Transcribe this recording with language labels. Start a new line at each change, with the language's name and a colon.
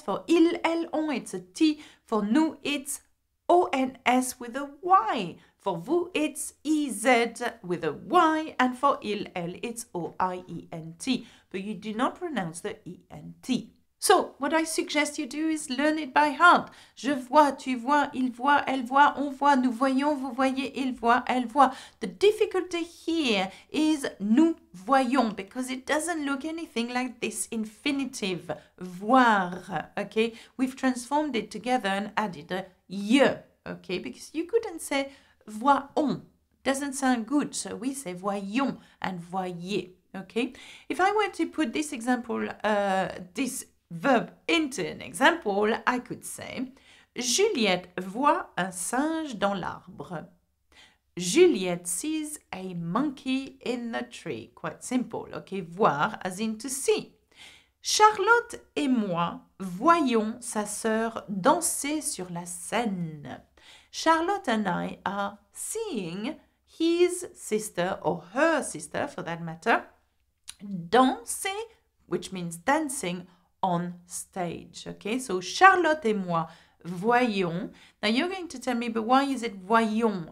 English: For il, elle, on, it's a T. For nous, it's O-N-S with a Y. For vous, it's E-Z with a Y. And for il, elle, it's O-I-E-N-T. But you do not pronounce the E-N-T. So, what I suggest you do is learn it by heart.
French: Je vois, tu vois, il voit, elle voit, on voit, nous voyons, vous voyez, il voit, elle voit.
English: The difficulty here is
French: nous voyons,
English: because it doesn't look anything like this infinitive, voir, okay? We've transformed it together and added a ye, okay? Because you couldn't say voyons, doesn't sound good, so we say voyons and voyez, okay? If I were to put this example, this verb into an example, I could say
French: Juliette voit un singe dans l'arbre.
English: Juliette sees a monkey in the tree. Quite simple, okay? Voir as in to see.
French: Charlotte et moi voyons sa sœur danser sur la scène.
English: Charlotte and I are seeing his sister or her sister for that matter danser, which means dancing on stage, okay? So
French: Charlotte et moi voyons.
English: Now you're going to tell me, but why is it voyons?